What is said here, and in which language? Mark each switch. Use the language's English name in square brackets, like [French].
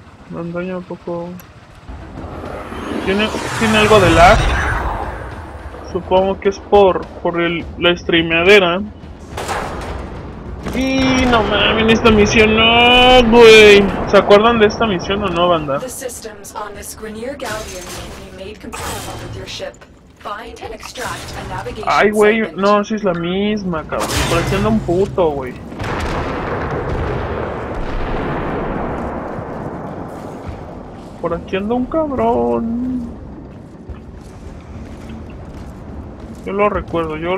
[Spanish] Me daña un poco. Tiene algo de lag. Supongo que es por la streameadera. Y no mames, esta misión no, güey. ¿Se acuerdan de esta misión o no, banda? [English] The systems on this Grineer Galleon can be made compatible with your ship. Find and extract a navigation. [Spanish] Ay, güey, no, sí es la misma, cabrón. Por aquí anda un puto, güey. Por aquí anda un cabrón. Yo lo recuerdo.